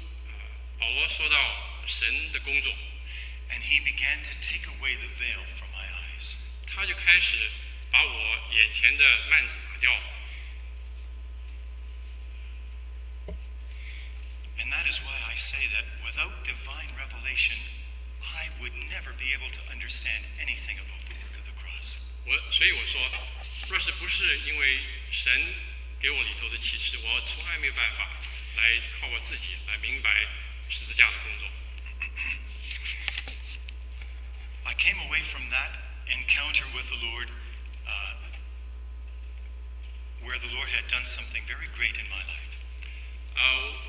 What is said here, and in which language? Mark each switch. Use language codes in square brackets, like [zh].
[zh] And 哥罗西书，保罗说到神的工作。 [en] And he began to take away the veil from my eyes. [zh] 他就开始把我眼前的幔子拿掉。 [en] And that is why I say that without divine revelation, I would never be able to understand anything about the work of the cross. [zh] 所以我说，若是不是因为神给我里头的启示，我从来没有办法来靠我自己来明白十字架的工作。 [en] I came away from that encounter with the Lord, where the Lord had done something very great in my life.